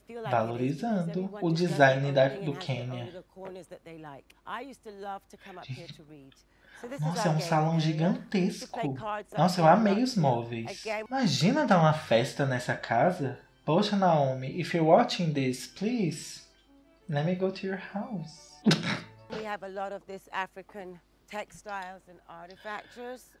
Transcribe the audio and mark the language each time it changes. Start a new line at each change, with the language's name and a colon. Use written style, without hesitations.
Portuguese: Valorizando o design do Quênia.
English: I used to love to come up here to read.
Portuguese: Nossa, é um salão gigantesco. Nossa, eu amei os móveis.
English: Again.
Portuguese: Imagina dar uma festa nessa casa. Poxa,
English: Naomi, if you're watching this, please, let me go to your house. We have a lot of this African textiles and artifacts.